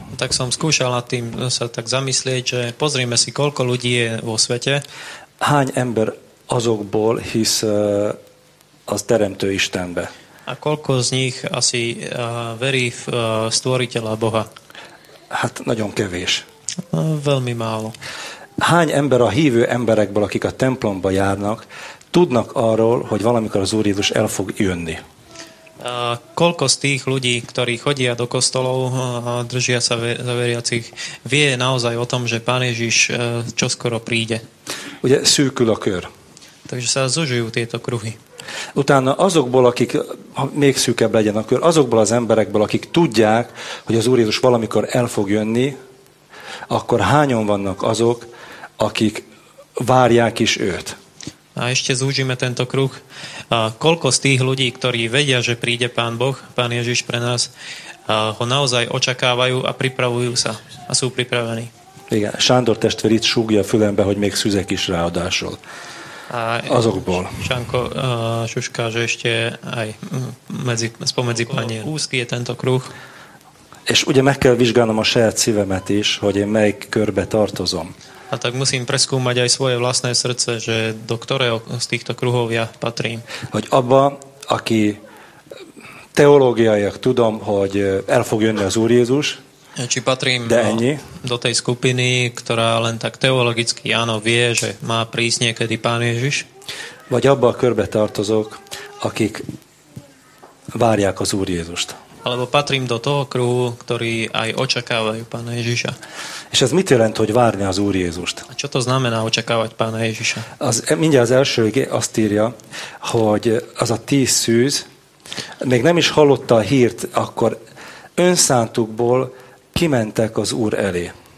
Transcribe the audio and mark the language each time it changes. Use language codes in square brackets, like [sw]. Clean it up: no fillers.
[sk] Tak som skúšal nad tým sa tak zamyslieť, že pozrime si, koľko ľudí je vo svete. [hu] Hány ember azokból hisz az teremtő Istenbe. [sk] A koľko z nich asi verí v stvoriteľa Boha? [hu] Hát nagyon kevés. [sk] Veľmi málo. [hu] Hány ember a hívő emberekből, akik a templomba járnak, tudnak arról, hogy valamikor az Úr Jézus el fog jönni? [sk] Koľko z tých ľudí, ktorí chodia do kostolov a držia sa za veriacich, vie naozaj o tom, že Pán Ježiš čoskoro príde? [hu] Ugye szűkül a kör. [sk] Takže sa zužujú tieto kruhy. [hu] Utána azokból, akik, ha még szűkebb legyen a kör, azokból az emberekből, akik tudják, hogy az Úr Jézus valamikor el fog jönni, akkor hányan vannak azok, akik várják is őt? [sk] A ešte zúžime tento kruh. A koľko z tých ľudí, ktorí vedia, že príde Pán Boh, Pán Ježiš pre nás, ho naozaj očakávajú a pripravujú sa a sú pripravení? [hu] Igen, Sándor testvér itt súgja a fülembe, hogy még szüzek is ráadásul. Azokból. [sk] Sánko Šuška, že ešte aj spomedzi panier. Úzky je tento kruh. [hu] És ugye meg kell vizsgálnom a saját szívemet is, hogy én melyik körbe tartozom. [sk] A tak musím preskúmať aj svoje vlastné srdce, že do ktorého z týchto kruhov ja patrím. [hu] Hogy abba, aki teológiaiak tudom, hogy el fog jönni az Úr Jézus, [sk] či patrím do tej skupiny, ktorá len tak teologicky áno vie, že má prísť niekedy Pán Ježiš. [hu] Vagy abba a körbe tartozok, akik várják az Úr Jézust. [sk] Alebo patrím do toho kruhu, ktorý aj očakávajú Pána Ježiša. [hu] És ez mit jelent, hogy várni az Úr Jézust? [sk] A čo to znamená očakávať Pána Ježiša? [hu] Az, mindjárt az első azt írja, hogy az a tíz szűz még nem is hallotta a hírt, akkor önszántukból kimentek az Úr elé.